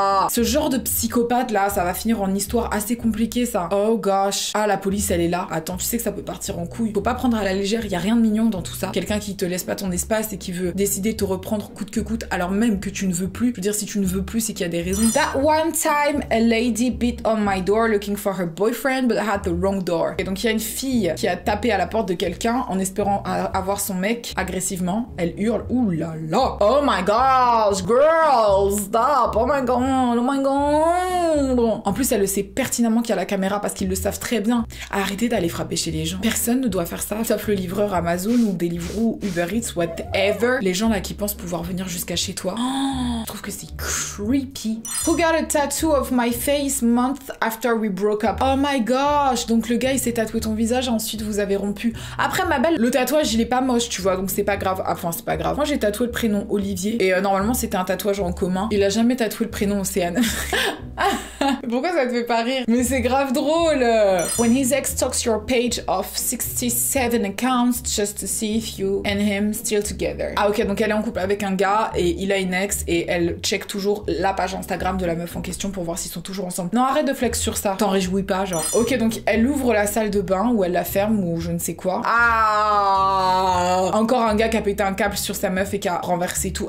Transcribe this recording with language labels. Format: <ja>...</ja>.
<fr>Ce genre de psychopathe là, ça va finir en histoire assez compliquée, ça.</fr> <en>Oh gosh.</en> <fr>Ah, la police, elle est là. Attends, tu sais que ça peut partir en couille. Faut pas prendre à la légère, y a rien de mignon dans tout ça. Quelqu'un qui te laisse pas ton espace et qui veut décider de te reprendre coûte que coûte, alors même que tu ne veux plus. Je veux dire, si tu ne veux plus, c'est qu'il y a des raisons.</fr> <en>That one time, a lady beat on my door looking for her boyfriend, but had the wrong door.</en> <fr>Et donc, il y a une fille qui a tapé à la porte de quelqu'un en espérant avoir son mec agressivement. Elle hurle. Ouh là là.</fr> <en>Oh my gosh, girl, stop. Oh my god, oh my god. Bon.</en> <fr>En plus, elle le sait pertinemment qu'il y a la caméra parce qu'ils le savent très bien. Arrêtez d'aller frapper chez les gens. Personne ne doit faire ça, sauf le livreur Amazon ou Deliveroo, Uber Eats, whatever. Les gens là qui pensent pouvoir venir jusqu'à chez toi. Oh, je trouve que c'est creepy.</fr> <en>Who got a tattoo of my face month after we broke up? Oh my gosh.</en> <fr>Donc le gars, il s'est tatoué ton visage et ensuite vous avez rompu. Après, ma belle, le tatouage, il est pas moche, tu vois, donc c'est pas grave. Enfin, c'est pas grave. Moi, j'ai tatoué le prénom Olivier et normalement, c'était un tatouage en commun. Il a jamais tatoué le prénom Océane. Pourquoi ça te fait pas rire? Mais c'est grave drôle.</fr> <en>When his ex stalks your page of 67 accounts just to see if you and him still together.</en> <fr>Ah ok, donc elle est en couple avec un gars et il a une ex et elle check toujours la page Instagram de la meuf en question pour voir s'ils sont toujours ensemble. Non, arrête de flex sur ça. T'en réjouis pas, genre. Ok, donc elle ouvre la salle de bain ou elle la ferme ou je ne sais quoi. Ah! Encore un gars qui a pété un câble sur sa meuf et qui a renversé tout.</fr>